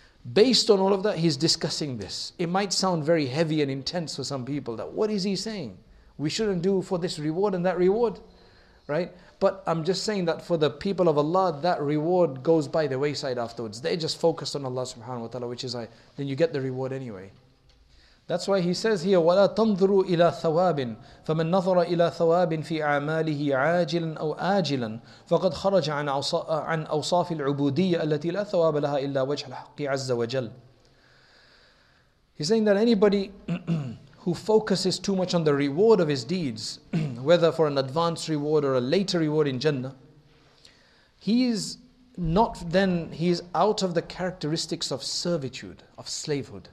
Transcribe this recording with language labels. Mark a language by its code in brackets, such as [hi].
[en] Based on all of that, he's discussing this. It might sound very heavy and intense for some people, that what is he saying? We shouldn't do for this reward and that reward, right? But I'm just saying that for the people of Allah, that reward goes by the wayside afterwards. They're just focused on Allah subhanahu wa ta'ala, which is like, then you get the reward anyway. That's why he says here, [ar] وَلَا تَنْظُرُوا إِلَىٰ ثَوَابٍ فَمَنْ نَظَرَ إِلَىٰ ثَوَابٍ فِي أَعْمَالِهِ عَاجِلًا أَوْ آجِلًا فَقَدْ خَرَجَ عَنْ أَوْصَافِ الْعُبُودِيَّةِ الَّتِي لَا ثَوَابَ لَهَا إِلَّا وَجْهَ الْحَقِّ عَزَّ وَجَلَّ. [en] He's saying that anybody who focuses too much on the reward of his deeds, whether for an advanced reward or a later reward in Jannah, he's out of the characteristics of servitude, of slavehood.